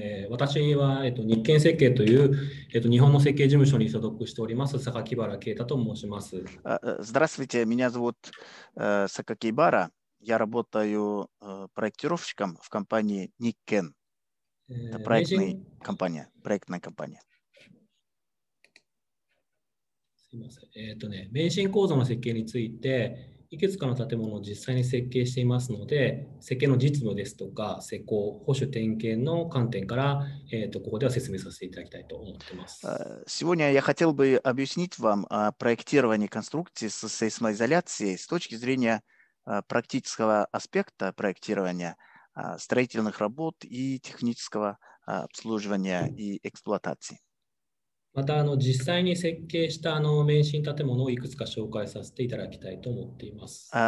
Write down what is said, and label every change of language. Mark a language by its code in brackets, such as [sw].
[ja] 私は、日建設計という、日本の設計事務所に所属しております、榊原啓太と申します。 [ru] Здравствуйте, меня зовут Сакаки Бара. Я работаю проектировщиком в компании Nikken. Это проектная компания. Проектная компания. [ja] すみません。免震構造の設計について、いくつかの建物を実際に設計していますので、設計の実務ですとか、施工、保守点検の観点から、ここでは説明させていただきたいと思ってます。 [ru] Сегодня я хотел бы объяснить вам о проектировании конструкции с сейсмоизоляцией с точки зрения практического аспекта проектирования строительных работ и технического обслуживания и эксплуатации. [ja] また、実際に設計した免震建物をいくつか紹介させていただきたいと思っています。